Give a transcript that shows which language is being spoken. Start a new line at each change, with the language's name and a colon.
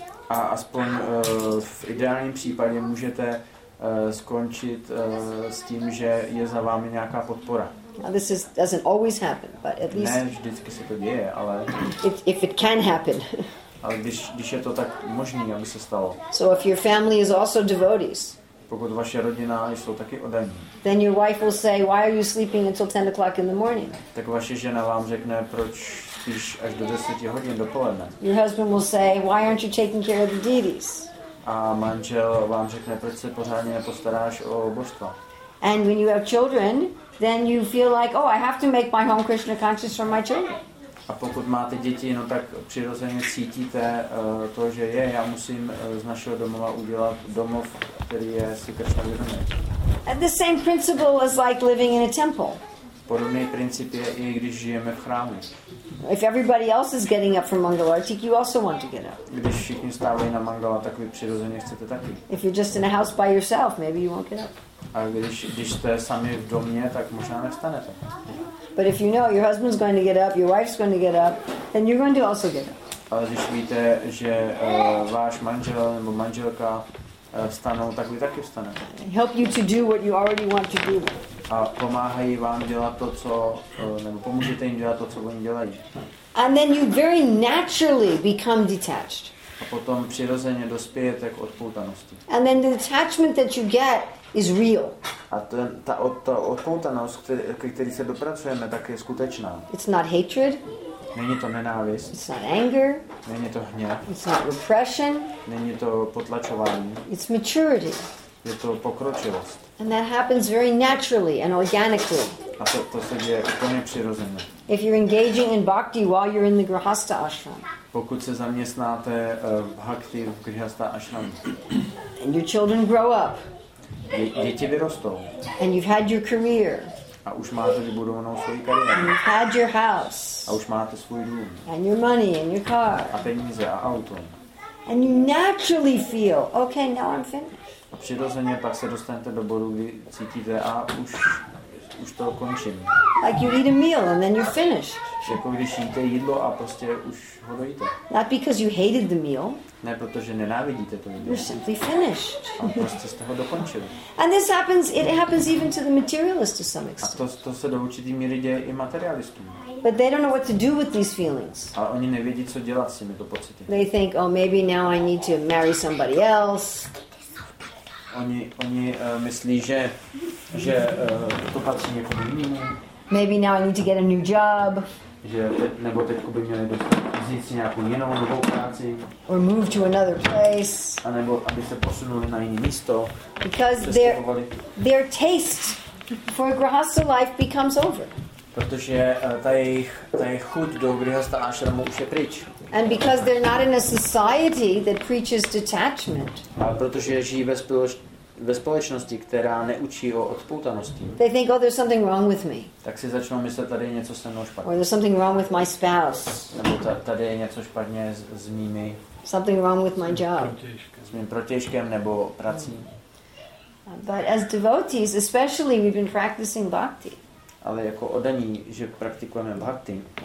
Czech: A aspoň v ideálním případě můžete skončit s tím, že je za vámi nějaká podpora.
English: Now this doesn't always happen, but at least.
Czech: Ne, vždycky se to děje, ale.
English: If it can happen.
Czech: Ale když je to tak možný, aby se stalo.
English: So if your family is also devotees.
Czech: Pokud vaše rodina jsou taky oddaní.
English: Then your wife will say, why are you sleeping until 10 o'clock in the morning?
Czech: Tak vaše žena vám řekne, proč spíš až do 10 hodin dopoledne.
English: Your husband will say, why aren't you taking care of the deities?
Czech: A manžel vám řekne, proč se pořádně nepostaráš o božstva.
English: And when you have children, then you feel like, oh, I have to make my home Krishna conscious for my children.
Czech: A pokud máte děti, no tak přirozeně cítíte to, že je, já musím z našeho domova udělat domov, který je si Krishna vědomý.
English: And the same principle is like living in a temple.
Czech: Podobný princip je i když žijeme v chrámu.
English: If everybody else is getting up for Mangalartik, you also want to get up.
Czech: Když všichni stávají na Mangala, tak vy přirozeně chcete taky.
English: If you're just in a house by yourself, maybe you won't get up.
Czech: A když jste sami v domě, tak možná nevstanete.
English: But if you know your husband's going to get up, your wife's going to get up, then you're going to also get up.
Czech: Ale když víte, že váš manžel nebo manželka vstanou, tak vy taky vstanete.
English: Help you to do what you already want to do.
Czech: A pomáhají vám dělat to, co nebo pomůžete jim dělat to, co oni dělají.
English: And then you very naturally become detached.
Czech: A potom přirozeně dospějete k odpoutanosti.
English: And then the detachment that you get is real.
Czech: A ta odpoutanost, ke který se dopracujeme, tak je skutečná.
English: It's not hatred.
Czech: Není to nenávist.
English: It's not anger.
Czech: Není to hněv.
English: It's not repression.
Czech: Není to potlačování.
English: It's maturity.
Czech: Je to pokročilost.
English: And that happens very naturally and organically.
Czech: A to se děje úplně přirozeně.
English: If you're engaging in bhakti while you're in the grihastha ashram.
Czech: Pokud se zaměstnáte v bhakti v grihastha ashramu.
English: And your children grow up.
Czech: Děti vyrostou.
English: And you've had your career.
Czech: A už máte vybudovanou svoji kariéru.
English: You've had your house.
Czech: A už máte svůj dům.
English: And your money and your car.
Czech: A peníze a auto.
English: And you naturally feel, okay, now I'm finished.
Czech: A přirozeně pak se dostanete do bodu, kdy cítíte, a už to končím.
English: Like you eat a meal and then you're finished.
Czech: Jako když jíte jídlo a prostě už ho dojíte.
English: Not because you hated the meal.
Czech: Ne, protože nenávidíte to jídlo.
English: You're simply finished.
Czech: A prostě jste ho dokončili.
English: And this happens, it happens even to the materialist to some extent.
Czech: A to se do určitý míry děje i materialistům.
English: But they don't know what to do with these feelings.
Czech: A oni nevědí, co dělat s těmito pocity.
English: They think, oh, maybe now I need to marry somebody else.
Czech: Oni myslí, že to patří někomu jinému.
English: Maybe now I need to get a new job.
Czech: Že nebo teď by měli vzít si nějakou jinou novou práci.
English: Or move to another place.
Czech: A nebo aby se posunuli na jiné místo.
English: Because their taste for grihastha life becomes over.
Czech: Protože ta jejich chuť do grihastha ashramu už je pryč.
English: And because they're not in a society that preaches detachment.
Czech: A protože žijí ve společnosti, která neučí o odpoutanosti.
English: They think, oh, there's something wrong with me.
Czech: Tak si začnou myslet, tady je něco se mnou špatně.
English: Or there's something wrong with my spouse.
Czech: Nebo tady je něco špatně s mými.
English: Something wrong with my job.
Czech: S mým protějškem nebo prací.
English: But as devotees, especially we've been practicing bhakti.
Czech: Ale jako oddaní, že praktikujeme bhakti.